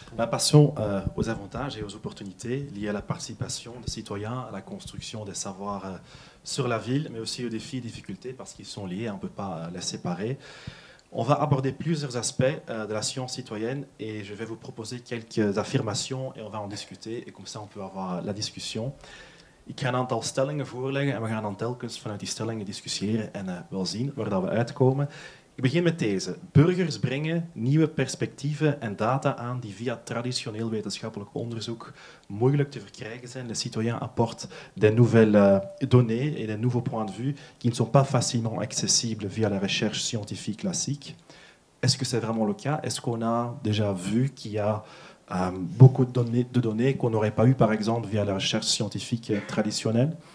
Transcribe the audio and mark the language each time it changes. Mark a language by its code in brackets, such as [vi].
[fr] Passons aux avantages et aux opportunités liées à la participation des citoyens à la construction des savoirs sur la ville, mais aussi aux défis et difficultés parce qu'ils sont liés, on ne peut pas les séparer. On va aborder plusieurs aspects de la science citoyenne et je vais vous proposer quelques affirmations et on va en discuter et comme ça on peut avoir la discussion. [nl] Ik ga een aantal stellingen voorleggen en we gaan dan telkens vanuit die stellingen discussiëren en wel zien waar dat we uitkomen. Ik begin met deze. Burgers brengen nieuwe perspectieven en data aan die via traditioneel wetenschappelijk onderzoek moeilijk te verkrijgen zijn. [fr] Les citoyens apportent des nouvelles données et des nouveaux points de vue qui ne sont pas facilement accessibles via la recherche scientifique classique. Est-ce que c'est vraiment le cas? Est-ce qu'on a déjà vu qu'il y a beaucoup de données qu'on n'aurait pas eu, par exemple, via la recherche scientifique traditionnelle?